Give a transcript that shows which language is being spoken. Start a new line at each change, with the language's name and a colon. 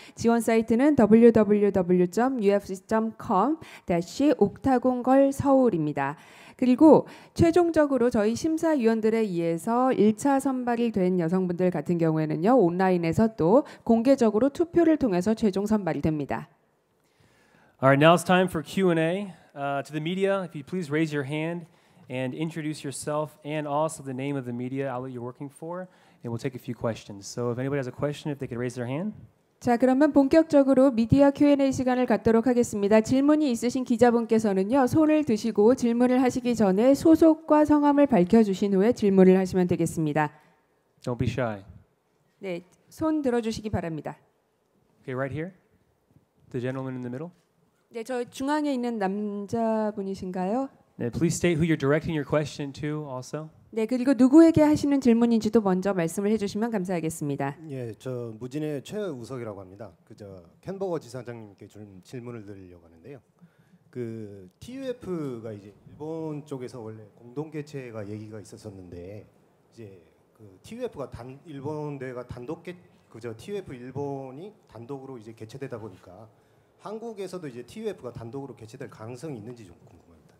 Korean: 지원 사이트는 www.ufc.com-octagongirlseoul입니다. 그리고 최종적으로 저희 심사위원들에 의해서 1차 선발이 된 여성분들 같은 경우에는요, 온라인에서 또 공개적으로 투표를 통해서 최종 선발이 됩니다.
English: All right, now it's time for Q&A. To the media, if you please raise your hand and introduce yourself and also the name of the media outlet you're working for, and we'll take a few questions. So if anybody has a question, if they could raise their hand.
Korean: 자, 그러면 본격적으로 미디어 Q&A 시간을 갖도록 하겠습니다. 질문이 있으신 기자분께서는요, 손을 드시고 질문을 하시기 전에 소속과 성함을 밝혀주신 후에 질문을 하시면 되겠습니다.
English: Don't be shy.
Korean: 네, 손 들어주시기 바랍니다.
English: Okay, right here. The gentleman in the middle.
Korean: 네, 저 중앙에 있는 남자분이신가요? 네,
English: please state who you're directing your question to also.
Korean: 네, 그리고 누구에게 하시는 질문인지도 먼저 말씀을 해주시면 감사하겠습니다. 예, 저 무진의 최우석이라고 합니다. 그 저 캔버거 지사장님께 좀 질문을 드리려고 하는데요. 그 TUF가 이제 일본 쪽에서 원래 공동 개최가 얘기가 있었었는데 이제 그 TUF가 단 일본 대회가 단독 개 그저 TUF 일본이 단독으로 이제 개최되다 보니까 한국에서도 이제 TUF가 단독으로 개최될 가능성이 있는지 좀 궁금합니다.